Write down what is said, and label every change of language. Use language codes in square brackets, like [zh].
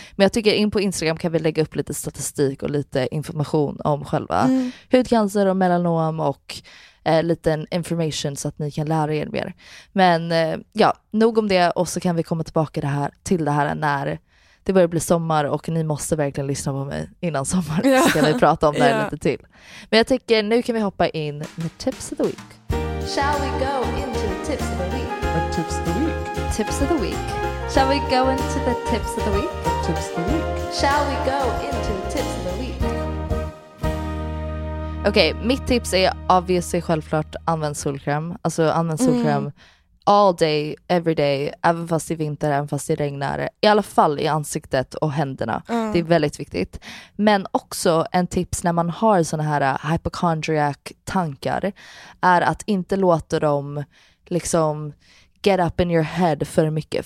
[sv] Men jag tycker in på Instagram kan vi lägga upp lite statistik och lite information om själva hudcancer och melanom och liten information så att ni kan lära er mer. Men ja, nog om det, och så kan vi komma tillbaka det här, till det här när det börjar bli sommar och ni måste verkligen lyssna på mig innan sommar, så kan vi prata om det här lite till. Men jag tycker nu kan vi hoppa in med tips of the week. [en] Shall we go into the tips of the week? Tips of the week. Tips of the week. Shall we go into the tips of the week? Tips of the week. Shall we go into the tips of the week? [sv] Okej, mitt tips är obviously självklart använd solkräm. Alltså använd solkräm [en] all day, every day, [sv] även fast i vinter, även fast det regnar. I alla fall i ansiktet och händerna. Det är väldigt viktigt. Men också en tips när man har såna här hypochondriac tankar är att inte låta dem liksom [en] get up in your head [sv] för mycket.